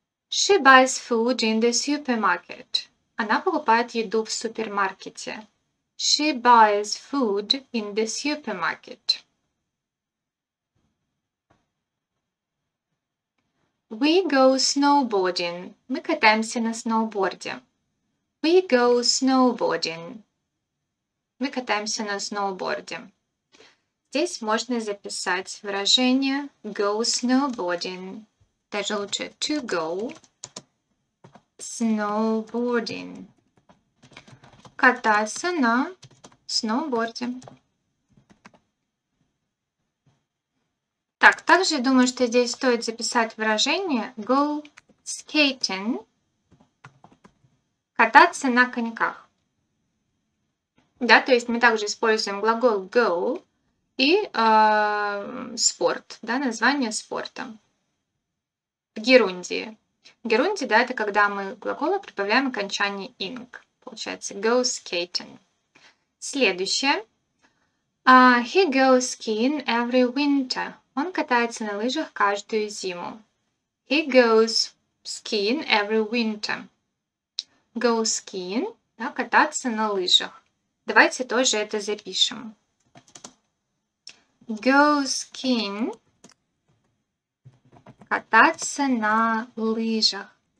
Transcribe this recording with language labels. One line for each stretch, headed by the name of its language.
English: She buys food in the supermarket.
Russian: Она покупает еду в супермаркете.
English: She buys food in the supermarket. We go snowboarding.
Russian: Мы катаемся на сноуборде.
English: We go snowboarding.
Russian: Мы катаемся на сноуборде. Здесь можно записать выражение
English: go snowboarding.
Russian: Даже лучше
English: to go snowboarding.
Russian: Кататься на сноуборде. Так, также думаю, что здесь стоит записать выражение
English: go skating.
Russian: Кататься на коньках. Да, то есть мы также используем глагол go и спорт, да, название спорта. В герундии. Герундий, да, это когда мы глаголы прибавляем окончание ing. Получается
English: go skating.
Russian: Следующее.
English: He goes skiing every winter.
Russian: Он катается на лыжах каждую зиму.
English: He goes skiing every winter. Go skiing,
Russian: да, кататься на лыжах. Давайте тоже это запишем.
English: Go skiing.
Russian: Кататься на лыжах.